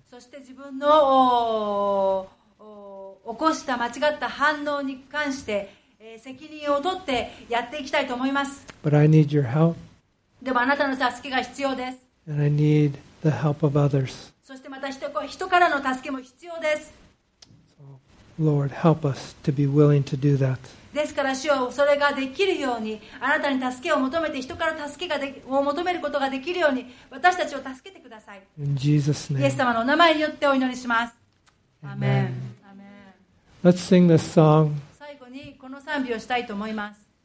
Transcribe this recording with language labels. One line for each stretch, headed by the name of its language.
Japanese: そして自分の起こした間違った反応に関して、責任を取ってやっていきたいと思います。
English: But I need your help.
Japanese: でもあなたの助けが必要です。
English: And I need the help of others.
Japanese: そしてまた人からの助けも必要です。
English: So, Lord, help us to be willing to do that.
Japanese: ですから主よそれができるようにあなたに助けを求めて人から助けを求めることができるように私たちを助けてください。
English: In Jesus' name.
Japanese: イエス様のお名前によってお祈りします。アーメン。
English: Let's sing this song.
Japanese: 最後にこの賛美をしたいと思います。